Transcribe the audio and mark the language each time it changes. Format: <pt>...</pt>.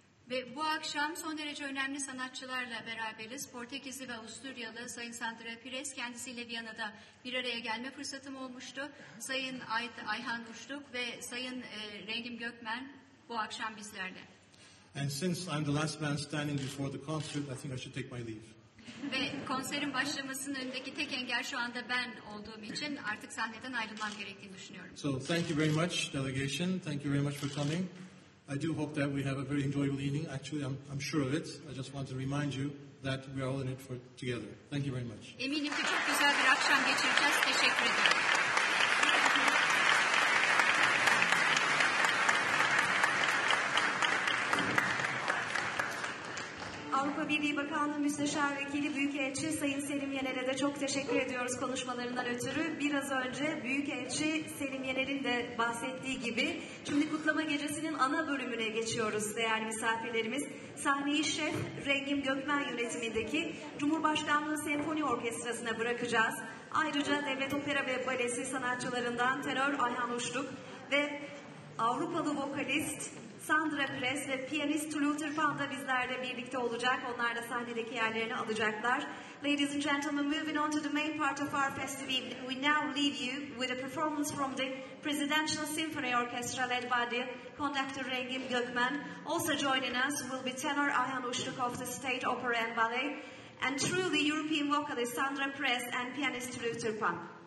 <tr>Ve bu akşam son derece önemli sanatçılarla beraberiz. Portekizli ve Avusturyalı Sayın Sandra Pires kendisiyle Viyana'da bir araya gelme fırsatım olmuştu. Sayın Ayhan Uçtok ve Sayın Rengin Gökmen bu akşam bizlerle.</tr> <en>And since I'm the last man standing before the concert, I think I should take my leave.</en> <tr>Ve konserin başlamasının önündeki tek engel şu anda ben olduğum için artık sahneden ayrılmam gerektiğini düşünüyorum.</tr> <en>So thank you very much, delegation. Thank you very much for coming. I do hope that we have a very enjoyable evening. Actually, I'm sure of it. I just want to remind you that we are all in it for together. Thank you very much.</en> <tr>Eminim ki çok güzel bir akşam geçireceğiz. Teşekkür ederim. Avrupa Birliği Bakanlığı Müsteşar Vekili Büyükelçi Sayın Selim Yener'e de çok teşekkür ediyoruz konuşmalarından ötürü. Biraz önce Büyükelçi Selim Yener'in de bahsettiği gibi şimdi kutlama gecesinin ana bölümüne geçiyoruz değerli misafirlerimiz. Sahneyi Şef Rengin Gökmen yönetimindeki Cumhurbaşkanlığı Senfoni Orkestrası'na bırakacağız. Ayrıca Devlet Opera ve Balesi sanatçılarından tenör Ayhan Uçtok ve Avrupalı vokalist Sandra Pires ve piyanist Tulu Tırpan da bizlerle birlikte olacak. Onlar da sahnedeki yerlerini alacaklar.</tr> <en>Ladies and gentlemen, moving on to the main part of our festival, we now leave you with a performance from the Presidential Symphony Orchestra led by the conductor Rengin Gökmen. Also joining us will be tenor Ayhan Uçtok of the State Opera and Ballet, and truly European vocalist Sandra Pires and pianist Tulu Tırpan.</en>